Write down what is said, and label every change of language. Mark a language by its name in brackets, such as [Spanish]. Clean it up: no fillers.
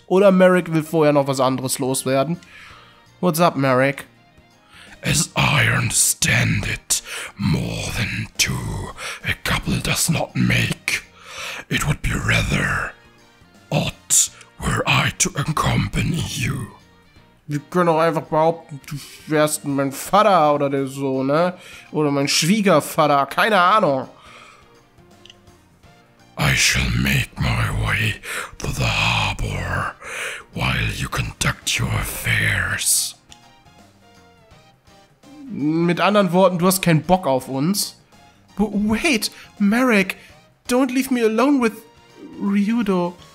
[German] Oder Merrick will vorher noch was anderes loswerden. [English] What's up, Merrick? As I understand it, more than two, a couple does not make. It would be rather odd, were I to accompany you. [German] Wir können auch einfach behaupten, du wärst mein Vater oder der Sohn, ne? Oder mein Schwiegervater, keine Ahnung. [English] I shall make my way to the harbor while you conduct your affairs. [German] Mit anderen Worten, du hast keinen Bock auf uns. [English] But wait, Merrick, don't leave me alone with Ryudo.